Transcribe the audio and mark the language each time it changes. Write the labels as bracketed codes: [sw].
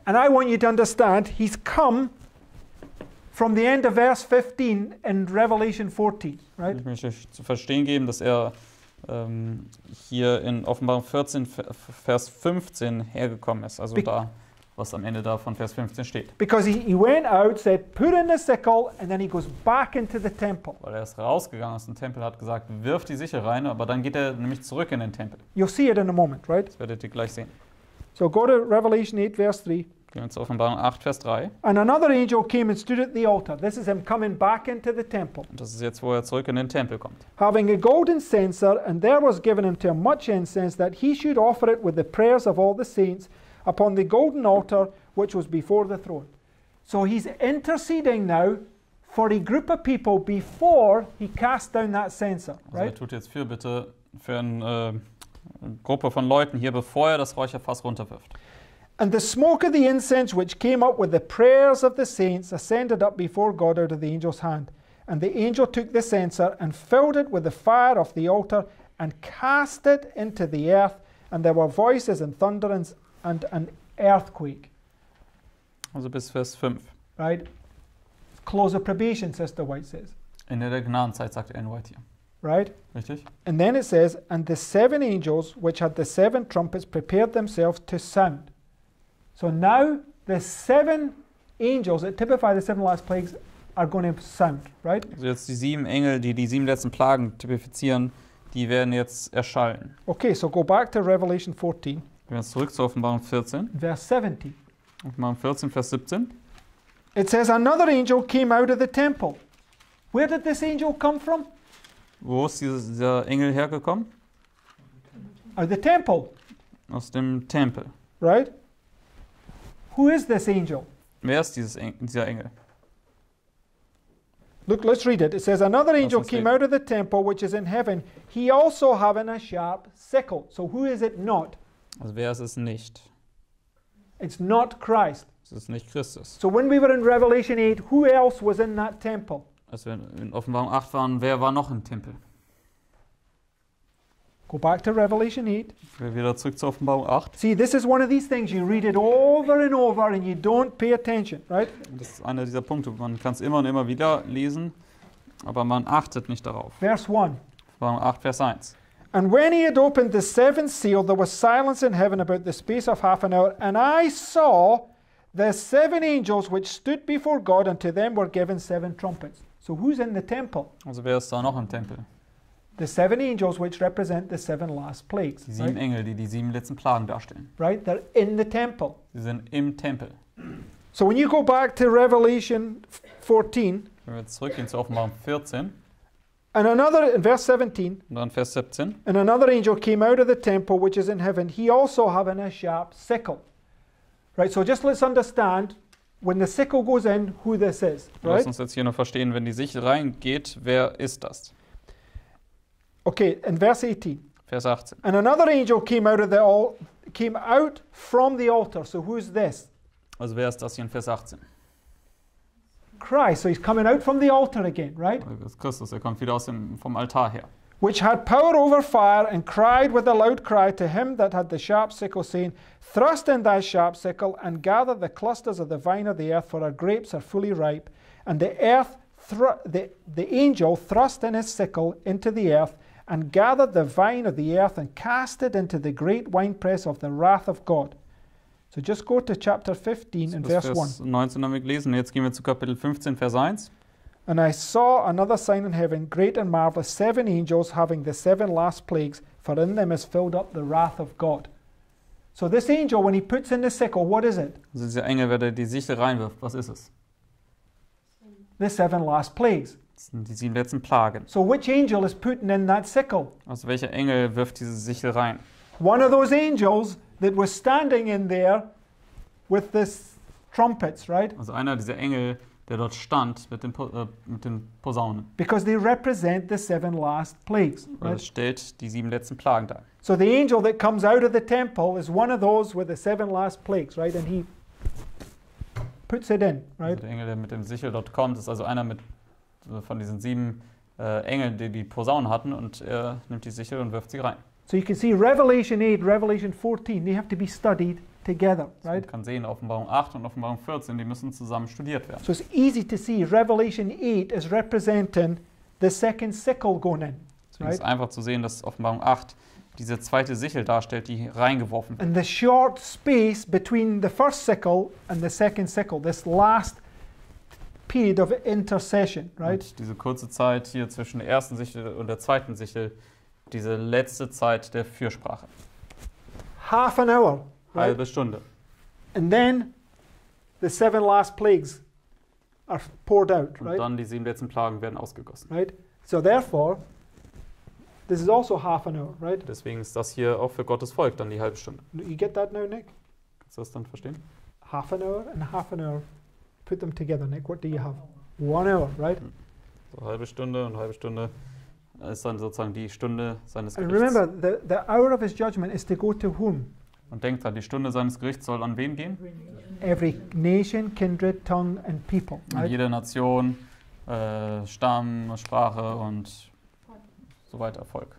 [en] And I want you to understand, he's come from the end of verse 15 in Revelation 14, right? [de] Ich möchte euch zu verstehen geben, dass er hier in Offenbarung 14, Vers 15 hergekommen ist. Also da, was am Ende da von Vers 15 steht. [en] Because he went out, said, put in the sickle, and then he goes back into the temple. [de] Weil er ist rausgegangen aus dem Tempel, hat gesagt, wirf die Sichel rein, aber dann geht er nämlich zurück in den Tempel. [en] You'll see it in a moment, right? [de] Das werdet ihr gleich sehen. [en] So go to Revelation 8, verse 3. [de] Gehen wir zu Offenbarung 8, Vers 3. [en] And another angel came and stood at the altar. This is him coming back into the temple. [de] Und das ist jetzt, wo er zurück in den Tempel kommt. [en] Having a golden censer, and there was given him to him much incense, that he should offer it with the prayers of all the saints, upon the golden altar which was before the throne. So he's interceding now for a group of people before he cast down that censer, right? [de] Also er tut jetzt Fürbitte für eine Gruppe von Leuten hier, bevor er das Räucherfass runterwirft. [en] And the smoke of the incense which came up with the prayers of the saints ascended up before God out of the angel's hand. And the angel took the censer and filled it with the fire of the altar and cast it into the earth. And there were voices and thunderings and an earthquake. [de] Also bis Vers 5. [en] Right. Close of probation, Sister White says. [de] Ende der Gnadenzeit, sagt Ellen White hier. [en] Right? [de] Richtig. [en] And then it says, and the seven angels which had the seven trumpets prepared themselves to sound. So now the seven angels that typify the seven last plagues are going to sound, right? [de] Also jetzt die sieben Engel, die die sieben letzten Plagen typifizieren, die werden jetzt erschallen. [en] Okay, so go back to Revelation 14. [de] Wir gehen zurück zu Offenbarung 14. [en] Verse 17. [de] Offenbarung 14, Vers 17. [en] It says, another angel came out of the temple. Where did this angel come from? [de] Wo ist dieser Engel hergekommen? [en] Out of the temple. [de] Aus dem Tempel. [en] Right? Who is this angel? [de] Wer ist dieser Engel? [en] Look, let's read it. It says, another angel came out of the temple, which is in heaven. He also having a sharp sickle. So who is it not? [de] Also wer ist es nicht? [en] It's not Christ. [de] Es ist nicht Christus. [en] So when we were in Revelation 8, who else was in that temple? [de] Also wenn wir in Offenbarung 8 waren, wer war noch im Tempel? [en] Go back to Revelation 8. [de] Wir wieder zurück zur Offenbarung 8. [en] See, this is one of these things, you read it over and over and you don't pay attention, right? [de] Das ist einer dieser Punkte, man kann es immer und immer wieder lesen, aber man achtet nicht darauf. [en] Verse 1. [de] Offenbarung 8, Vers 1. [en] And when he had opened the seventh seal, there was silence in heaven about the space of half an hour. And I saw the seven angels which stood before God, and to them were given seven trumpets. So who's in the temple? [de] Also wer ist da noch im Tempel? [en] The seven angels which represent the seven last plagues. [de] Die sieben Engel, die sieben letzten Plagen darstellen. [en] Right, they're in the temple. [de] Sie sind im Tempel. [en] So when you go back to Revelation 14. [de] Wenn wir zurückgehen zu Offenbarung 14. [en] And another in verse 17. [de] Und dann Vers 17. [en] And another angel came out of the temple which is in heaven. He also having a sharp sickle. Right, so just let's understand when the sickle goes in, who this is. Right? [de] Lass uns jetzt hier noch verstehen, wenn die Sichel reingeht, wer ist das? [en] Okay, in verse 18. [de] Vers 18. [en] And another angel came out of the came out from the altar. So who's this? [de] Also wer ist das hier in Vers 18? [en] Christ. So he's coming out from the altar again, right? [de] Als Christus, er kommt wieder aus dem vom Altar her. [en] Which had power over fire and cried with a loud cry to him that had the sharp sickle, saying, thrust in thy sharp sickle and gather the clusters of the vine of the earth, for our grapes are fully ripe. And the angel thrust in his sickle into the earth and gathered the vine of the earth and cast it into the great winepress of the wrath of God. So just go to chapter 15 and verse 1. [de] Vers 19 haben wir gelesen. Jetzt gehen wir zu Kapitel 15, Vers 1. [en] And I saw another sign in heaven, great and marvelous, seven angels having the seven last plagues, for in them is filled up the wrath of God. So this angel, when he puts in the sickle, what is it? [de] Also dieser Engel, wenn er die Sichel reinwirft, was ist es? [en] The seven last plagues. [de] Das sind die sieben letzten Plagen. [en] So which angel is putting in that sickle? [de] Also welcher Engel wirft diese Sichel rein? [en] One of those angels that was standing in there with this trumpets, right? [de] Also einer dieser Engel, der dort stand mit den Posaunen. [en] Because they represent the seven last plagues. [de] Weil es stellt die sieben letzten Plagen dar. [en] So the angel that comes out of the temple is one of those with the seven last plagues, right? And he puts it in, right? [de] Also der Engel, der mit dem Sichel dort kommt, ist also einer mit von diesen sieben Engeln, die die Posaunen hatten, und er nimmt die Sichel und wirft sie rein. [en] So you can see Revelation 8, Revelation 14, they have to be studied together, right? [de] Man kann sehen, Offenbarung 8 und Offenbarung 14, die müssen zusammen studiert werden. [en] So it's easy to see Revelation 8 is representing the second sickle going in, right? [de] Es ist einfach zu sehen, dass Offenbarung 8 diese zweite Sichel darstellt, die reingeworfen wird. [en] And the short space between the first sickle and the second sickle, this last period of intercession, right? [de] Und diese kurze Zeit hier zwischen der ersten Sichel und der zweiten Sichel, diese letzte Zeit der Fürsprache. [en] Half an hour. [de] Halbe Stunde. [en] And then the seven last plagues are poured out, right? [de] Und dann die sieben letzten Plagen werden ausgegossen. [en] Right? So therefore, this is also half an hour, right? [de] Deswegen ist das hier auch für Gottes Volk dann die halbe Stunde. [en] You get that now, Nick? [de] Kannst du das dann verstehen? [en] Half an hour and half an hour. Put them together, Nick. What do you have? 1 hour, right? [de] So halbe Stunde und halbe Stunde ist dann sozusagen die Stunde seines Gerichts. [en] And remember, the hour of his judgment is to go to whom? [de] Und denkt dran, die Stunde seines Gerichts soll an wen gehen? [en] Every nation, kindred, tongue and people. Right? [de] Jede Nation, Stamm, Sprache und so weiter, Volk.